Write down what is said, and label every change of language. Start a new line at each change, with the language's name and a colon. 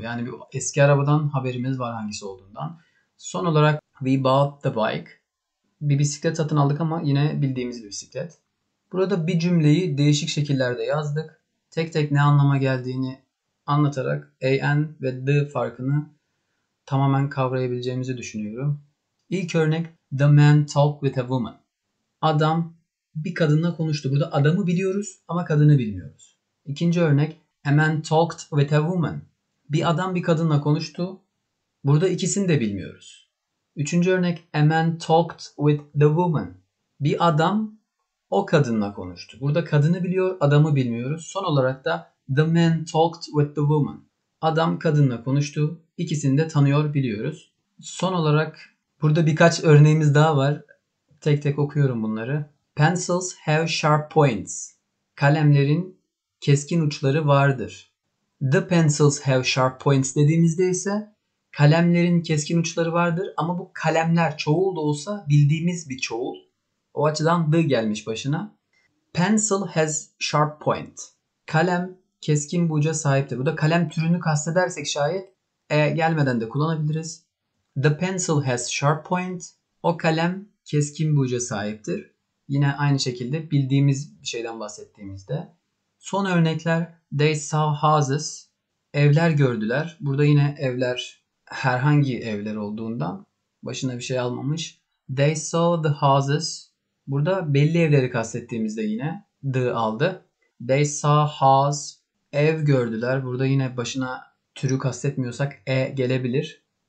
Turkish: Yani bir eski arabadan haberimiz var hangisi olduğundan. Son olarak
English: we bought the bike.
Turkish: Bir bisiklet satın aldık ama yine bildiğimiz bir bisiklet. Burada bir cümleyi değişik şekillerde yazdık. Tek tek ne anlama geldiğini anlatarak an ve the farkını tamamen kavrayabileceğimizi düşünüyorum. İlk örnek,
English: the man talked with a woman.
Turkish: Adam bir kadınla konuştu. Burada adamı biliyoruz ama kadını bilmiyoruz. İkinci örnek,
English: a man talked with a woman.
Turkish: Bir adam bir kadınla konuştu. Burada ikisini de bilmiyoruz. Üçüncü örnek,
English: a man talked with the woman.
Turkish: Bir adam o kadınla konuştu. Burada kadını biliyor, adamı bilmiyoruz. Son olarak da
English: the man talked with the woman.
Turkish: Adam kadınla konuştu. İkisini de tanıyor, biliyoruz. Son olarak burada birkaç örneğimiz daha var. Tek tek okuyorum bunları.
English: Pencils have sharp points.
Turkish: Kalemlerin keskin uçları vardır.
English: The pencils have sharp points
Turkish: dediğimizde ise kalemlerin keskin uçları vardır. Ama bu kalemler çoğul da olsa bildiğimiz bir çoğul. O açıdan the gelmiş başına.
English: Pencil has sharp point.
Turkish: Kalem keskin bir uca sahiptir. Bu da kalem türünü kastedersek şayet gelmeden de kullanabiliriz.
English: The pencil has sharp point.
Turkish: O kalem keskin bir uca sahiptir. Yine aynı şekilde bildiğimiz bir şeyden bahsettiğimizde. Son örnekler,
English: they saw houses.
Turkish: Evler gördüler. Burada yine evler herhangi evler olduğundan başına bir şey almamış.
English: They saw the houses.
Turkish: Burada belli evleri kastettiğimizde yine the aldı.
English: They saw house.
Turkish: Ev gördüler. Burada yine başına türü kastetmiyorsak e gelebilir.